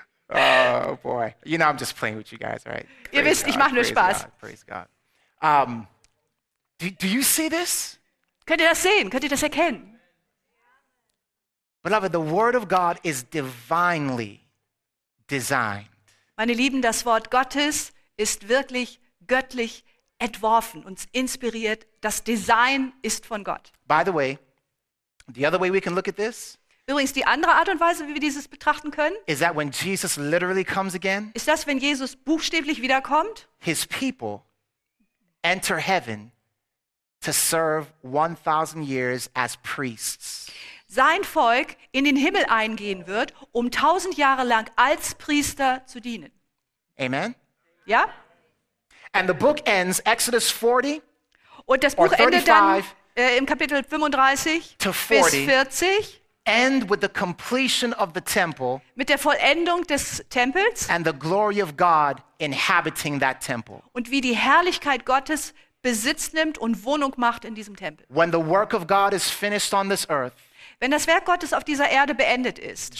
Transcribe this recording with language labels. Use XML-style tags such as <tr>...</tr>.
<en>Oh boy. You know I'm just playing with you guys, right?</en> <de>Ihr wisst, ich mache nur Spaß.</de> <en>Praise God. Do you see this?</en> <de>Könnt ihr das sehen? Könnt ihr das erkennen?</de> <en>Beloved, the word of God is divinely designed.</en> <de>Meine Lieben, das Wort Gottes ist wirklich göttlich entworfen und inspiriert. Das Design ist von Gott.</de> <en>By the way, the other way we can look at this.</en> <de>Übrigens, die andere Art und Weise, wie wir dieses betrachten können,</de> <en>is that when Jesus literally comes again,</en> <de>ist das, wenn Jesus buchstäblich wiederkommt,</de> <en>his people enter heaven to serve 1,000 years as priests.</en> <de>Sein Volk in den Himmel eingehen wird, um 1,000 Jahre lang als Priester zu dienen.</de> <en>Amen?</en> <de>Ja?</de> <en>And the book ends, Exodus 40,</en> <de>und das Buch endet dann im Kapitel 35</de> <en>to 40,</en> <de>bis 40,</de> <en>end with the completion of the temple,</en> <de>mit der Vollendung des Tempels,</de> <en>and the glory of God inhabiting that temple,</en> <de>und wie die Herrlichkeit Gottes Besitz nimmt und Wohnung macht in diesem Tempel.</de> <en>When the work of God is finished on this earth,</en> <de>wenn das Werk Gottes auf dieser Erde beendet ist,</de>